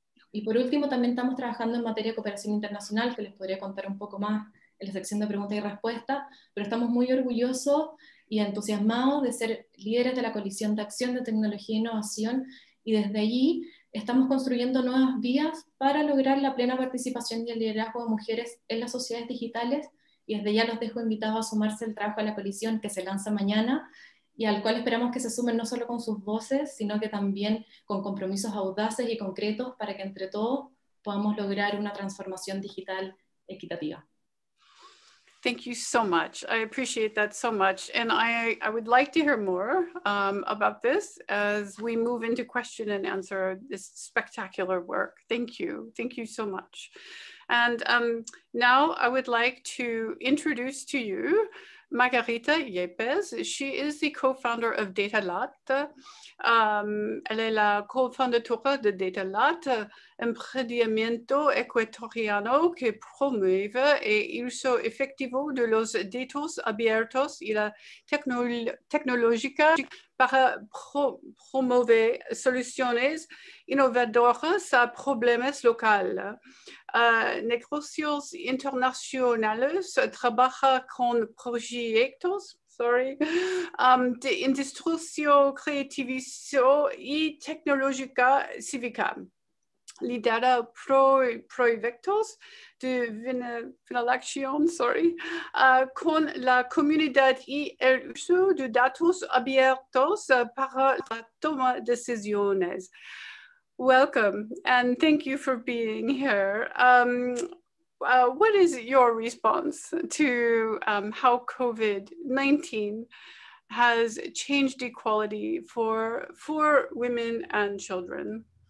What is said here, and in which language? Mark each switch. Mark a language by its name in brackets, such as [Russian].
[Spanish] Y por último, también estamos trabajando en materia de cooperación internacional, que les podría contar un poco más en la sección de preguntas y respuestas, pero estamos muy orgullosos y entusiasmados de ser líderes de la Coalición de Acción de Tecnología e Innovación, y desde allí estamos construyendo nuevas vías para lograr la plena participación y el liderazgo de mujeres en las sociedades digitales, y desde ya los dejo invitados a sumarse al trabajo de la coalición que se lanza mañana, y al cual esperamos que se sumen no solo con sus voces, sino que también con compromisos audaces y concretos para que entre todos podamos lograr una transformación digital equitativa. [English] Thank you so much. I appreciate that so much. And I would like to hear more about this as we move into question and answer this spectacular work. Thank you. Thank you so much. And now I would like to introduce to you Margarita Yepes. She is the co-founder of DataLat. [French] Elle est la co-fondatrice de DataLat, [Spanish] emprendimiento ecuatoriano que promueve el uso efectivo de los datos abiertos y la tecnológica para promover soluciones innovadoras a problemas locales. Negocios Internacionales trabaja con proyectos de industria creativa y tecnológica cívica. Lidera proyectos de vinculación con la comunidad y el uso de datos abiertos para la toma de decisiones. [English] Welcome, and thank you for being here. What is your response to how COVID-19 has changed equality for women and children?